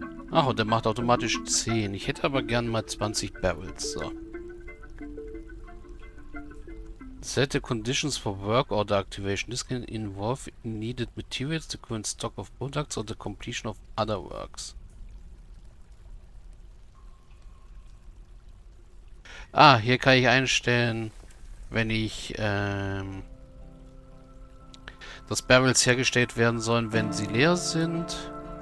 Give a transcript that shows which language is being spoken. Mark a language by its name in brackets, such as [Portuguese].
[German] Ach, und der macht automatisch 10. Ich hätte aber gern mal 20 Barrels. So. [English] Set the conditions for work order activation. This can involve needed materials, the current stock of products or the completion of other works. [German] Ah, hier kann ich einstellen, wenn ich, dass Barrels hergestellt werden sollen, wenn sie leer sind.